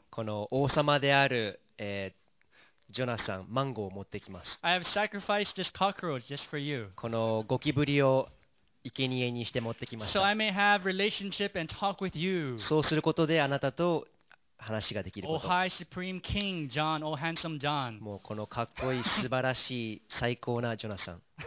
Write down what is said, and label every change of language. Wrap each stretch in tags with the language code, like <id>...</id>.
<ja>この王様である、ジョナサンマンゴーを持ってきます</ja> <en>I have sacrificed this cockroach just for you.</en> <ja>このゴキブリを生贄にして持ってきました</ja> <en>So I may have relationship and talk with you.</en> <ja>そうすることであなたと話ができること。</ja> <en>Oh, hi, Supreme King John. Oh, handsome John.</en> <ja>もうこのかっこいい素晴らしい最高なジョナサン。</ja>